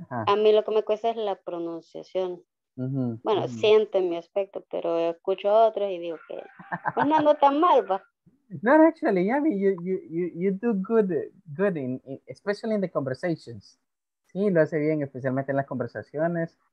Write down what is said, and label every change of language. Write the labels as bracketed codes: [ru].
[es] A mí lo que me cuesta es la pronunciación. Uh-huh. Bueno, uh-huh. Siento en mi aspecto, pero escucho a otros y digo que pues no tan mal, va. [en] No, actually, yeah, I mean, you do good in especially in the conversations. [es] Sí, lo hace bien, especialmente en las conversaciones.